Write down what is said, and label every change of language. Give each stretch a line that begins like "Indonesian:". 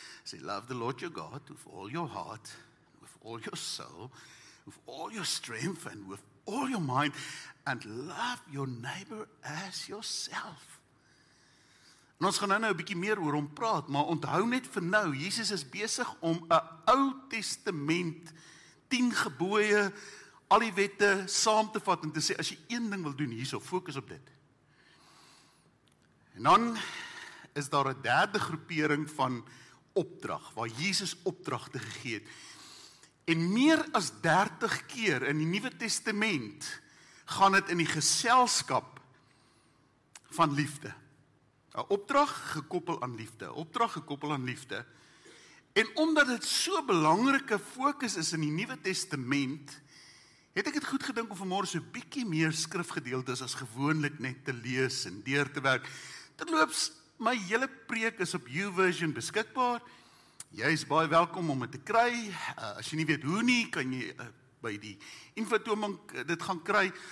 Afrikaans: Sê,
English: love the Lord your God with all your heart, with all your soul, with all your strength and with all your mind, and love your neighbor as yourself.
Afrikaans: En ons gaan nou 'n bietjie meer oor hom praat, maar onthou net vir nou, Jesus is besig om 'n Ou Testament 10 gebooie al die wette saam te vat en te sê, as jy een ding wil doen, hierso, fokus op dit. En dan is daar 'n derde groepering van opdrag, waar Jesus opdragte gegee het. En meer as 30 keer in die Nuwe Testament gaan dit in die geselskap van liefde. 'N Opdrag gekoppel aan liefde, opdrag gekoppel aan liefde. En omdat dit so 'n belangrike fokus is in die Nuwe Testament, het ek het goed gedink om vanmôre so 'n bietjie meer skrifgedeeltes as gewoonlik net te lees en deur te werk. Terloops, my hele preek is op YouVersion beskikbaar. Jy is baie welkom om dit te kry. As jy nie weet hoe nie, kan jy by die infotoming dit gaan kry.